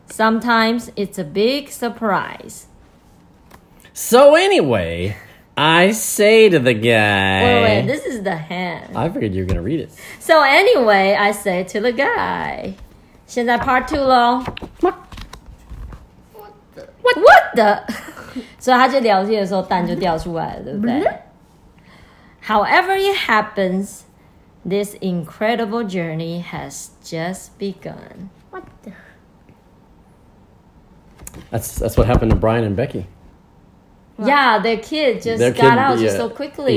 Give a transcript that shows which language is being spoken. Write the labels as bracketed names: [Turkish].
[English] Sometimes it's a big surprise. So anyway, I say to the guy... Wait, this is the hand. I figured you were going to read it. So anyway, I say to the guy... [Chinese] 现在 [English] part two [Chinese] 咯。 [English] What the? What the? [Chinese] 所以他就聊天的时候蛋就掉出来了，对不对？ [English] However it happens, this incredible journey has just begun. What the? That's what happened to Brian and Becky. Yeah, their kid got out so quickly.